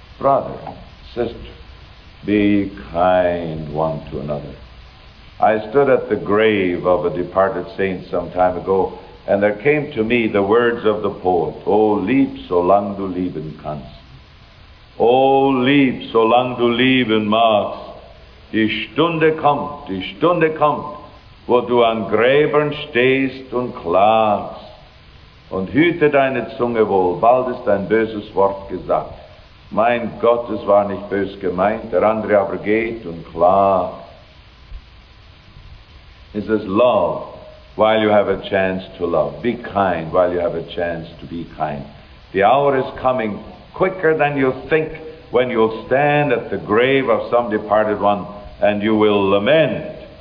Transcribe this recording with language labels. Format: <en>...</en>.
<en>Brother, sister, be kind one to another. I stood at the grave of a departed saint some time ago, and there came to me the words of the poet,</en> <de>O lieb, solang du lieben kannst. O lieb, solang du lieben magst. Die Stunde kommt, wo du an Gräbern stehst und klagst. Und hüte deine Zunge wohl, bald ist dein böses Wort gesagt. Mein Gott, es war nicht bös gemeint, der andere aber geht und klagt.</de> <en>It says, love while you have a chance to love. Be kind while you have a chance to be kind. The hour is coming quicker than you think when you'll stand at the grave of some departed one and you will lament.</en>